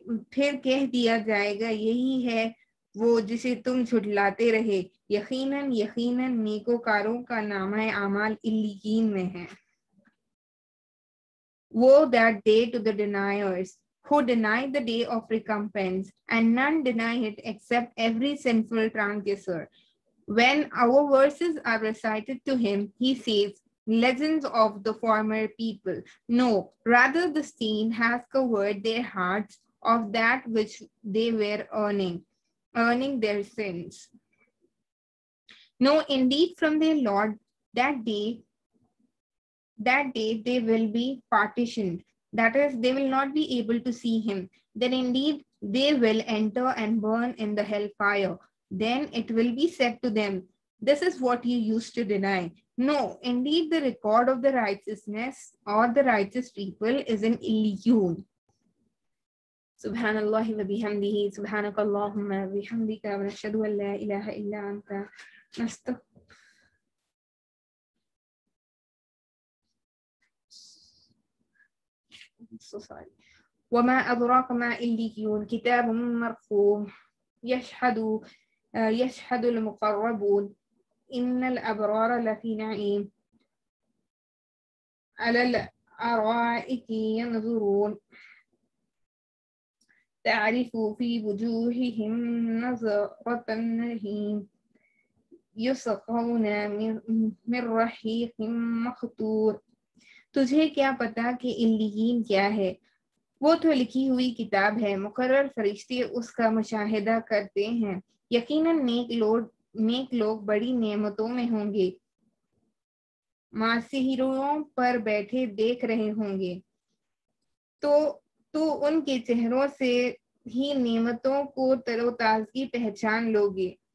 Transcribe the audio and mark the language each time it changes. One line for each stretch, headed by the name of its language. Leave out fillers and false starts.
Urdu: پھر کہہ دیا جائے گا یہی ہے وہ جسے تم جھٹلاتے رہے یقیناً نیکوکاروں کا نامہ اعمال الیین میں ہے
English: Woe that day to the deniers who deny the day of recompense and none deny it except every sinful transgressor. When our verses are recited to him, he says, Legends of the former people. No, rather the stain has covered their hearts of that which they were earning their sins. No, indeed from their Lord, that day they will be partitioned. That is, they will not be able to see him. Then indeed they will enter and burn in the hell fire. Then it will be said to them, this is what you used to deny. No, indeed the record of the righteousness or the righteous people is an illusion.
Arabic: سبحان الله وبحمده سبحانك اللهم وبحمدك ونشهد أن لا إله إلا أنت نستغفر وما أدراك ما إليون كتاب مرقوم يشهد المقربون إن الأبرار لفي نعيم على الأرائك ينظرون تعرف في وجوههم نظرة النعيم يسقون من رحيق مختور.
Urdu: تجھے کیا پتا کہ علیین کیا ہے؟ وہ تو لکھی ہوئی کتاب ہے, مقرر فرشتے اس کا مشاہدہ کرتے ہیں. یقیناً نیک لوگ بڑی نعمتوں میں ہوں گے, ماسحروں پر بیٹھے دیکھ رہے ہوں گے, تو ان کے چہروں سے ہی نعمتوں کو تر و تازگی پہچان لو گے.